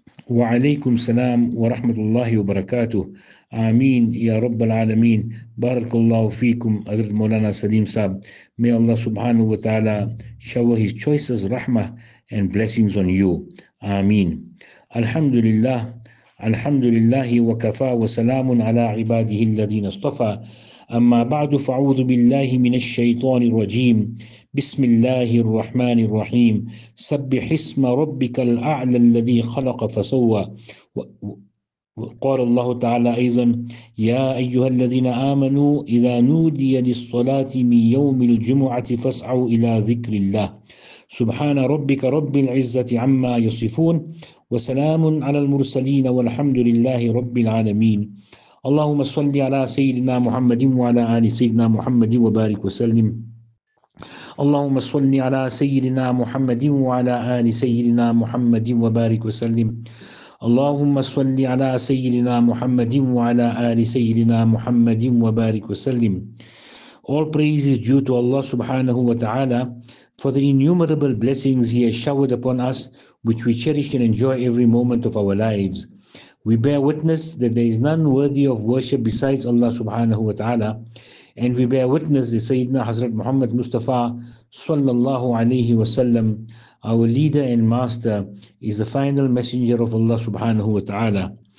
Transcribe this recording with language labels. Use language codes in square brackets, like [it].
[ar] وعليكم السلام ورحمة الله وبركاته. آمين يا رب العالمين. بارك الله فيكم حضرت مولانا سليم صاحب. [en] May Allah subhanahu wa ta'ala shower his choices rahmah and blessings on you. [ar] آمين. الحمد لله الحمد لله وكفى وسلام على عباده الذين اصطفى. أما بعد فأعوذ بالله من الشيطان الرجيم. بسم الله الرحمن الرحيم. سبح اسم ربك الأعلى الذي خلق فسوى. وقال الله تعالى أيضا يا أيها الذين آمنوا إذا نودي للصلاة من يوم الجمعة فاسعوا إلى ذكر الله. سبحان ربك رب العزة عما يصفون وسلام على المرسلين والحمد لله رب العالمين. اللهم صل على سيدنا محمد وعلى آل سيدنا محمد وبارك وسلم. اللهم صل على سيدنا محمد وعلى آل سيدنا محمد وبارك وسلم. اللهم صل على سيدنا محمد وعلى آل سيدنا محمد وبارك وسلم. [en] All praise is due to Allah subhanahu wa ta'ala for the innumerable blessings He has showered upon us, which we cherish and enjoy every moment of our lives. We bear witness that there is none worthy of worship besides Allah subhanahu wa ta'ala. And we bear witness that Sayyidina Hazrat Muhammad Mustafa sallallahu alayhi wa sallam, our leader and master, is the final messenger of Allah subhanahu wa ta'ala.